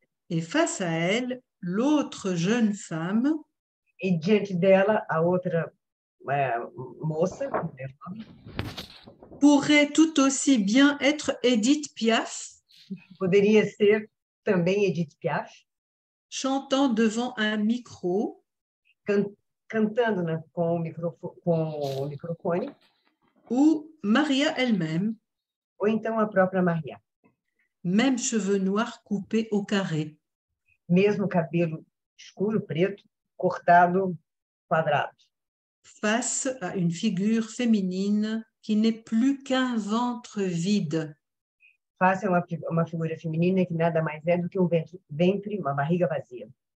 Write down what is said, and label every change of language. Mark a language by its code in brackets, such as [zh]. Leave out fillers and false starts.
[fr] Et face à elle, l'autre jeune femme. [pt] E diante dela, a outra... moça, [fr] pourrait tout aussi bien être Edith Piaf. [pt] Poderia ser também Edith Piaf. [fr] Chantant devant un micro. [pt] Cantando, né, com o microfone. [fr] Ou Maria elle-même. [pt] Ou então a própria Maria. [fr] Même cheveux noirs coupés au carré. [pt] Mesmo cabelo escuro, preto, cortado quadrado. [fr] Face à une figure féminine qui n'est plus qu'un ventre vide. Face à une figure féminine qui n'est rien de plus qu'un ventre, une barrière vide.